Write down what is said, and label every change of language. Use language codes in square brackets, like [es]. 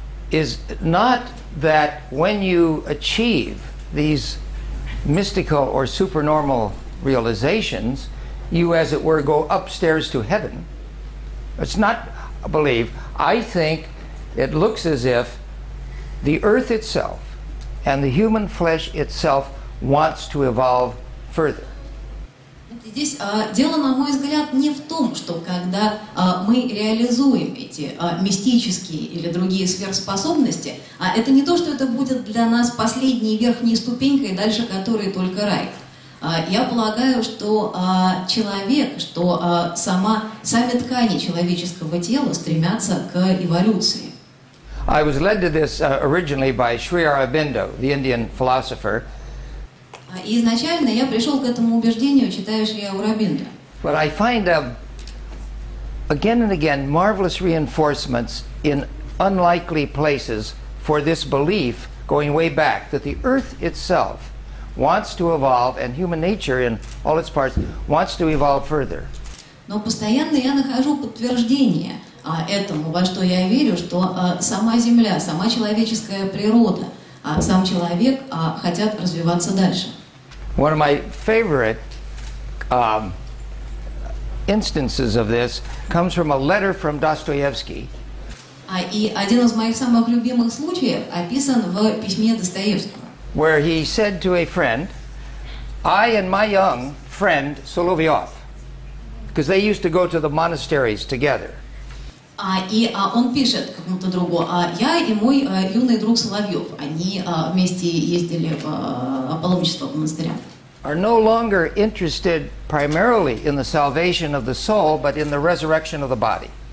[en] Is not that when you achieve these mystical or supernormal realizations, you, as it were, go upstairs to heaven. It's not a belief. I think it looks as if the earth itself and the human flesh itself wants to evolve further. [ru] Здесь дело, на мой взгляд, не в том, что когда мы реализуем эти мистические или другие сверхспособности, это не то, что это будет для нас последней верхней ступенькой, дальше которой только рай. Я полагаю, что человек, что сами ткани человеческого тела стремятся к эволюции. [en] I was led to this originally by Sri Aurobindo, the Indian philosopher. [ru] И изначально я пришел к этому убеждению, читая Шри Аурабинду. [en] But I find again and again marvelous reinforcements in unlikely places for this belief going way back that the earth itself wants to evolve and human nature in all its parts wants to evolve further. [ru] Но постоянно я нахожу подтверждение этому, во что я верю, что сама Земля, сама человеческая природа, сам человек хотят развиваться дальше. [en] One of my favorite instances of this comes from a letter from Dostoevsky. [ru] И один из моих самых любимых случаев описан в письме Достоевского. [en] Where he said to a friend, I and my young friend Solovyov, because they used to go to the monasteries together. [ru] Он пишет кому-то другу, я и мой юный друг Соловьев, они вместе ездили в паломничество в монастыря. [en] Are no longer interested primarily in the salvation of the soul, but in the resurrection of the body.